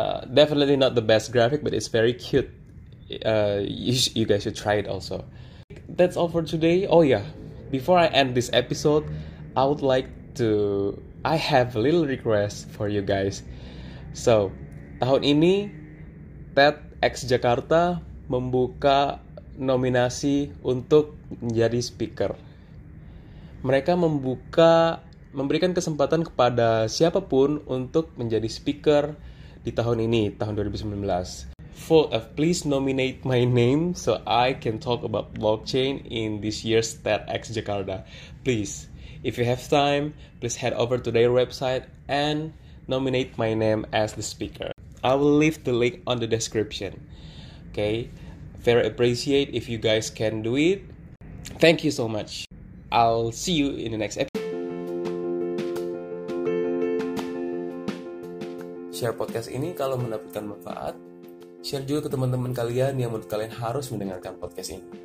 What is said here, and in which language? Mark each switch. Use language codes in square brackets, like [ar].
[en] Definitely not the best graphic, but it's very cute. You guys should try it also. That's all for today. Oh yeah, before I end this episode, I would like to. I have a little request for you guys. [id] So, tahun ini TEDx Jakarta membuka nominasi untuk menjadi speaker. Mereka memberikan kesempatan kepada siapapun untuk menjadi speaker di tahun ini, tahun 2019. [en] Vote of please nominate my name so I can talk about blockchain in this year's TEDx Jakarta. Please, if you have time, please head over to their website and nominate my name as the speaker. I will leave the link on the description. Okay, very appreciate if you guys can do it. Thank you so much. I'll see you in the next episode. [id] Share podcast ini kalau mendapatkan manfaat. Share juga ke teman-teman kalian yang menurut kalian harus mendengarkan podcast ini.